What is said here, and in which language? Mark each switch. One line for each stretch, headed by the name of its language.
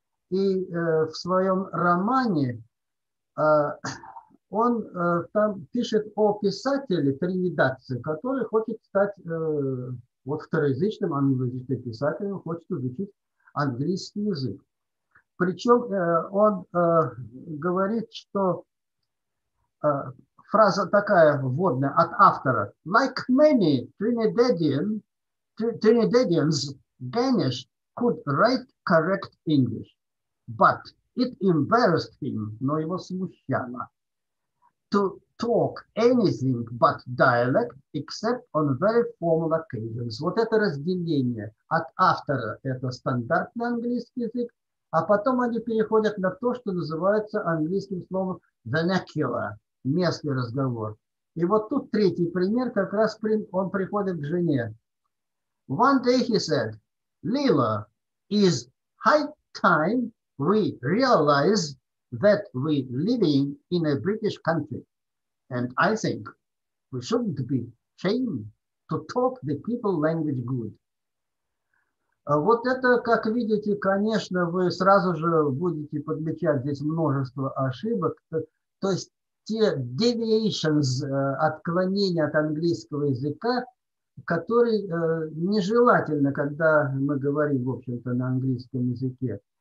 Russian: И в своем романе он там пишет о писателе тринидадце, который хочет стать вот второязычным англоязычным писателем, хочет изучить английский язык. Причем он говорит, что фраза такая вводная от автора.
English: Like many Trinidadians, Ganesh could write correct English, but it embarrassed him,
Russian: но его смущало,
English: to talk anything but dialect, except on very formal occasions.
Russian: Вот это разделение от автора, это стандартный английский язык, а потом они переходят на то, что называется английским словом vernacular, местный разговор. И вот тут третий пример, как раз он приходит к жене.
English: One day he said, Lila, is high time we realize that we living in a British country. And I think we shouldn't be ashamed to talk the people language good.
Russian: Вот это, как видите, конечно, вы сразу же будете подмечать здесь множество ошибок. То есть те deviations, отклонения от английского языка, которые нежелательны, когда мы говорим, в общем-то, на английском языке.